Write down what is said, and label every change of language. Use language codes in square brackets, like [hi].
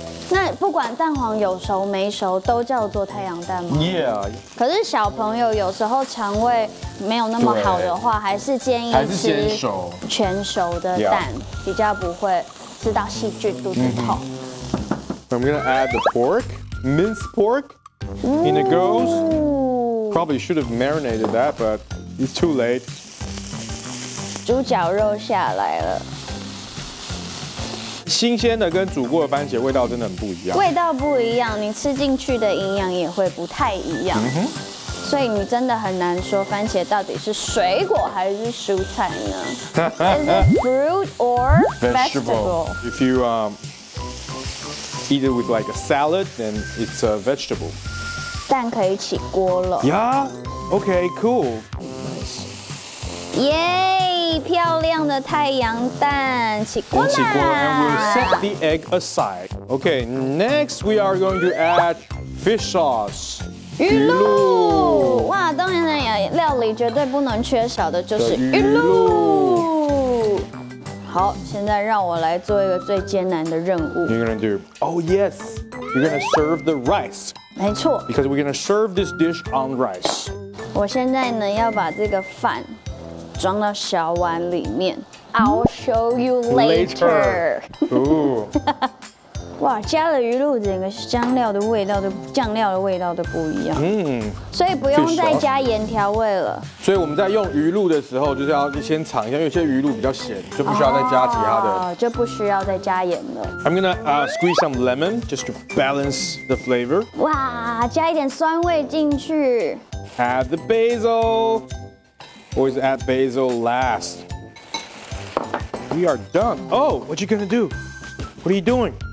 [zh] 那不管蛋黄有熟没熟，都叫做太阳蛋吗 [en] ？Yeah。 [zh] 可是小朋友有时候肠胃没有那么好的话，还是建议吃全熟的蛋，比较不会吃到细菌肚子痛。 [en] I'm gonna add the pork, minced pork, in it goes. Probably should have marinated that, but it's too late. [zh] 猪脚肉下来了，新鲜的跟煮过的番茄味道真的很不一样，味道不一样，你吃进去的营养也会不太一样，所以你真的很难说番茄到底是水果还是蔬菜呢？ [en] Is it fruit or vegetable? If you eat it with like a salad, then it's a vegetable. [zh] 蛋可以起锅了。 [en] Yeah. Okay. Cool. Yeah. [zh] 漂亮的太阳蛋起锅啦！起锅 [en] ，and we'll set the egg aside. Okay, next we are going to add fish sauce. [zh] 鱼露，哇，当然了，料理绝对不能缺少的就是鱼露。好，现在让我来做一个最艰难的任务。 [en] You're gonna do? Oh yes, you're gonna serve the rice. [zh] 没错 [en] ，because we're gonna serve this dish on rice. [zh] 我现在呢要把这个饭。装到小碗里面。 [en] I'll show you later. [zh] 哇，加了鱼露，整个香料的味道都酱料的味道都不一样。嗯，所以不用再加盐调味了。所以我们在用鱼露的时候，就是要先尝一下，因为有些鱼露比较咸，就不需要再加其他的。就不需要再加盐了。 [en] I'm gonna squeeze some lemon just to balance the flavor. [zh] 哇，加一点酸味进去。 [en] Add the basil. Always add basil last. We are done. Oh, what are you gonna do? What are you doing?